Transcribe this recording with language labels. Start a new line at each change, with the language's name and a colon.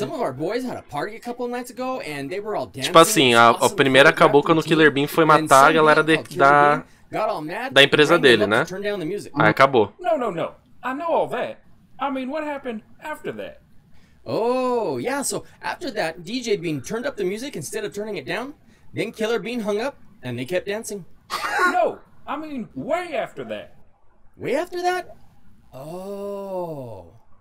English: Some of our boys had a party a couple nights ago and they were all dancing.
Portuguese: Tipo assim, a primeira acabou quando o Killer Bean foi matar a galera da empresa dele, né? Aí acabou. Não.
English: I know all that. I mean, what happened after that? Oh, yeah, so after that, DJ Bean turned up the music instead of turning it down, then Killer Bean hung up and they kept dancing. No, I mean, way after that. Way after that? Oh.